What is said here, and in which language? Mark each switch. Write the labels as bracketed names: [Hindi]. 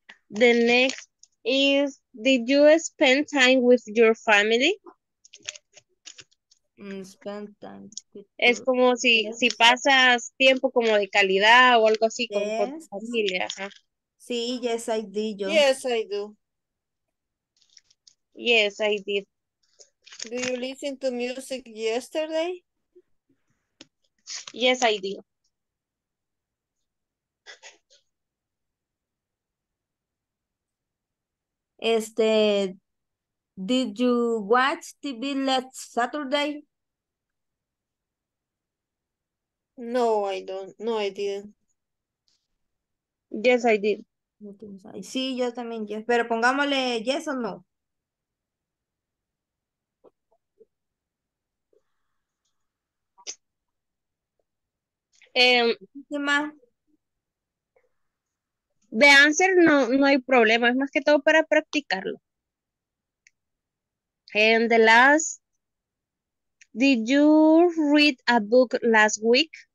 [English] The next is, did you spend time with your family? Spend time. [Spanish] Es como si, yes, si pasas tiempo como de calidad o algo así, yes, como con tu familia. Ajá. [English] Sí, yes, I did. Yo. Yes, I do. Yes, I did. Do you listen to music yesterday? Yes, I do. Este, did you watch TV last Saturday? No, I don't. No, I didn't. Yes, I did. [Spanish] Sí, yo también, yes. Pero pongámosle yes o no. De answer no, no hay problema, es más que todo para practicarlo. [English] And the last, did you read a book last week?